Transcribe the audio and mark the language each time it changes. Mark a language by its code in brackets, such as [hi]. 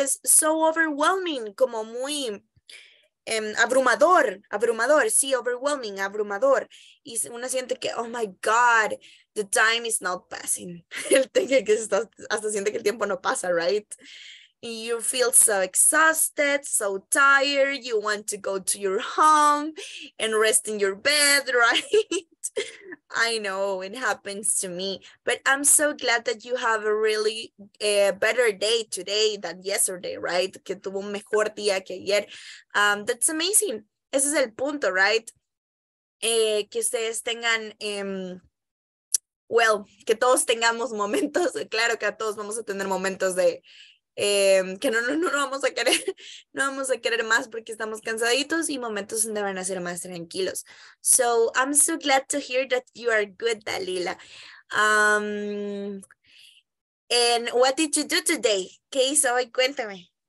[es] Es [en] so overwhelming, [es] como muy abrumador, abrumador, sí, overwhelming, abrumador. Y uno siente que, [en] oh my God, the time is not passing. [es] Hasta siente que el tiempo no pasa, right? [en] You feel so exhausted, so tired, you want to go to your home and rest in your bed, right? I know it happens to me, but I'm so glad that you have a really better day today than yesterday, right? [es] Que tuvo un mejor día que ayer. [en] That's amazing. [es] Ese es el punto, right? Que ustedes tengan. Que todos tengamos momentos. Claro que a todos vamos a tener momentos de. Que no vamos a querer, no vamos a querer más porque estamos cansaditos y momentos donde van a ser más tranquilos. [en] So, I'm so glad to hear that you are good, Dalila. And what did you do today? [es] ¿Qué hizo hoy? Cuéntame.